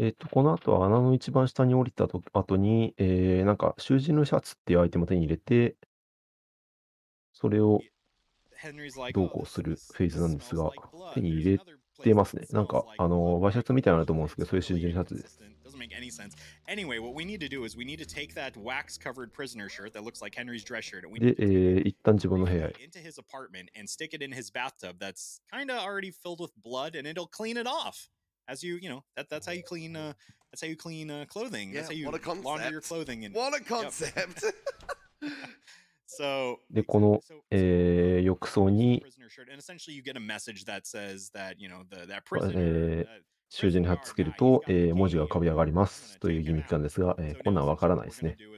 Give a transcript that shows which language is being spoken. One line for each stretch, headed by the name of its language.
Japanese: この後は穴の一番下に降りた後に、なんか囚人のシャツっていうアイテムを手に入れて、それをどうこうするフェーズなんですが、手に入れてますね。なんか、ワイシャツみたいなのあると思うんですけど、それ囚人シャツです。
English: Anyway, what we need to do is we need to take that wax covered prisoner shirt that looks like Henry's dress shirt.
Japanese: で、一旦自分の部屋へ。
English: Into his apartment and stick it in his bathtub that's kind of already filled with blood and it'll clean it off. As you know, that's how you clean clothing. Yeah, that's how you launder your clothing. And, what a concept! So,
Japanese: でこの、浴槽に、
English: and essentially you get a message that says that, you know, that prisoner,
Japanese: 囚人に貼っつけると、文字が浮かび上がりますというギミックなんですが、こんなんわからないですね。